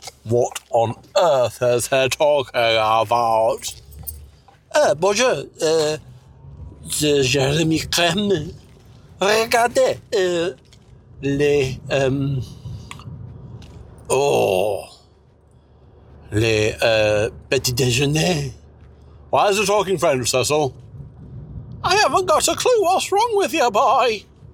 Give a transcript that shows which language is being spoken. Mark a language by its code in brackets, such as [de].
[en] What on earth is he talking about? [fr] Bonjour, c'est Jérémy Crème. Regardez les oh les petits déjeuners. [en] Why is he talking French, Cecil? I haven't got a clue what's wrong with you, boy.